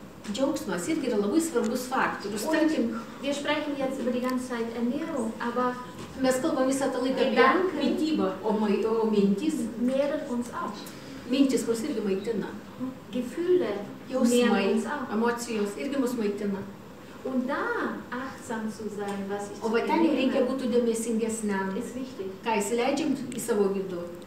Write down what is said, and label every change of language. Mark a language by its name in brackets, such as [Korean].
[Lithuanian] Džiaugsmas irgi yra labai svarbus faktorius. Tarkim, [German] wir sprechen jetzt über die ganze Zeit Ernährung, aber [Lithuanian] mes kalbam visą tą laiką apie mitybą, o mintys nėrėt uns auf. Mintys mus irgi maitina. [German] Gefühle [Lithuanian] jausmai, emocijos irgi mus maitina. [German] Und da achtsam zu sein, was ich [Lithuanian] o va ten jau reikia būti dėmesingesniam. Ką įsileidžiam į savo vidų.